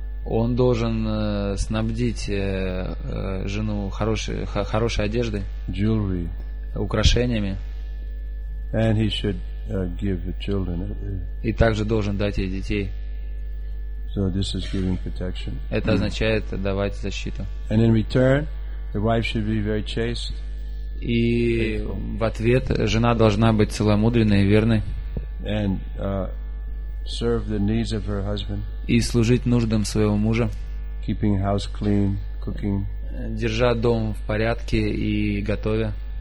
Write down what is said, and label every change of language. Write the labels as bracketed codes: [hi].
[ru] Он должен снабдить жену хорошей одеждой, [en] jewelry, [ru] украшениями. [en] And he should give the children. [ru] И также должен дать ей детей. [en] So this is giving protection. [ru] Это означает давать защиту. [en] And in return, the wife should be very chaste. [ru] И в ответ жена должна быть целомудренной и верной. [en] And serve the needs of her husband. [ru] И служить нуждам своего мужа. [en] Keeping house clean, cooking. [ru] Держа дом в порядке и готовя.